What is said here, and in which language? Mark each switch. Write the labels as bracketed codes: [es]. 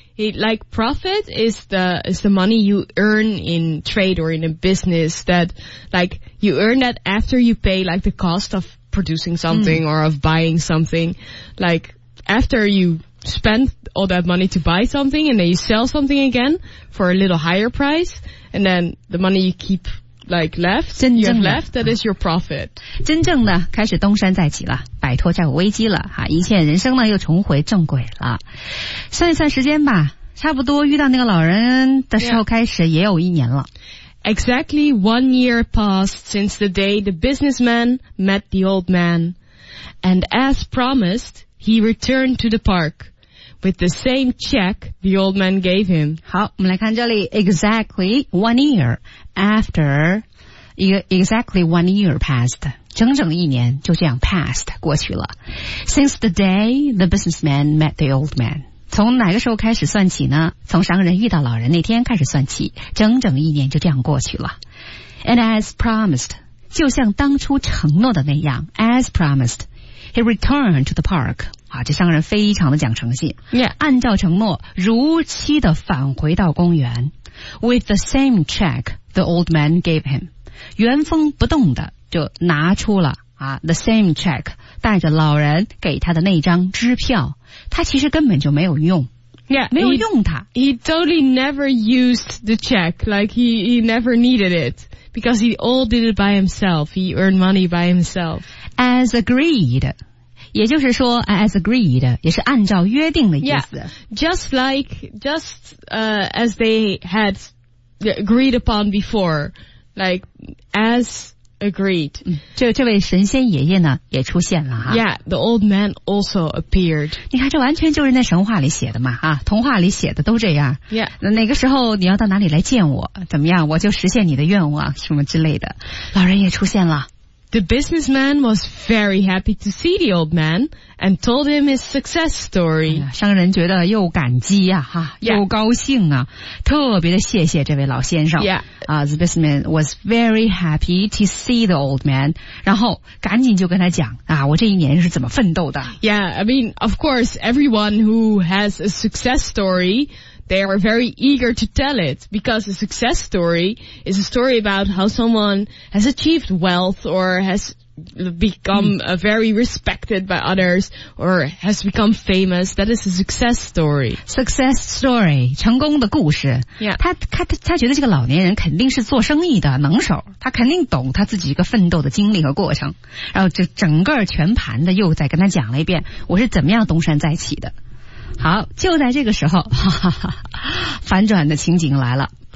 [en] He, like profit is the money you earn in trade or in a business that like you earn that after you pay like the cost of producing something、mm. or of buying something. Like after you spend all that money to buy something and then you sell something again for a little higher price. And then the money you keep like left, you have left, that is your profit. [zh] 真正的开始东山再起了，摆脱债务危机了，哈，一切人生呢又重回正轨了。算一算时间吧，差不多遇到那个老人的时候开始也有一年了。 [en] Yeah. Exactly 1 year passed since the day the businessman met the old man. And as promised, he returned to the park. With the same check the old man gave him. [zh] 好，我们来看这里 [en] ，exactly 1 year after, exactly 1 year passed. [zh] 整整一年就这样 passed 过去了。 [en] Since the day the businessman met the old man. [zh] 从哪个时候开始算起呢？从商人遇到老人那天开始算起，整整一年就这样过去了。 [en] And as promised, [zh] 就像当初承诺的那样 [en] ，as promised, he returned to the park. [zh] 啊，这商人非常的讲诚信。 [en] Yeah. [zh] 按照承诺如期的返回到公园。 [en] With the same check the old man gave him. [zh] 原封不动的就拿出了啊 , [en] the same check, [zh] 带着老人给他的那张支票。他其实根本就没有用。 [en] Yeah, [zh] 没有用他。 [en] He totally never used the check, like he never needed it, because he all did it by himself, he earned money by himself. [zh] As agreed,也就是说 as agreed, 也是按照约定的意思。 [en] Yeah, just as they had agreed upon before, like as agreed. [zh] 这位神仙爷爷呢也出现了哈。 [en] Yeah, the old man also appeared. [zh] 你看这完全就是那神话里写的嘛啊，童话里写的都这样。 [en] Yeah. [zh] 哪个时候你要到哪里来见我怎么样我就实现你的愿望什么之类的。老人也出现了。 [en] The businessman was very happy to see the old man and told him his success story. [zh] 商人觉得又感激啊哈、又高兴啊特别的谢谢这位老先生。 [en] Yeah. The businessman was very happy to see the old man. [zh] 然后赶紧就跟他讲啊我这一年是怎么奋斗的。 [en] Yeah, I mean, of course, everyone who has a success story,They are very eager to tell it because a success story is a story about how someone has achieved wealth or has become very respected by others or has become famous. That is a success story. [zh] Success story, 成功的故事。 [en] Yeah. [zh] 他觉得这个老年人肯定是做生意的能手，他肯定懂他自己一个奋斗的经历和过程，然后就整个全盘的又再跟他讲了一遍我是怎么样东山再起的。好，就在这个时候，哈哈，反转的情景来了。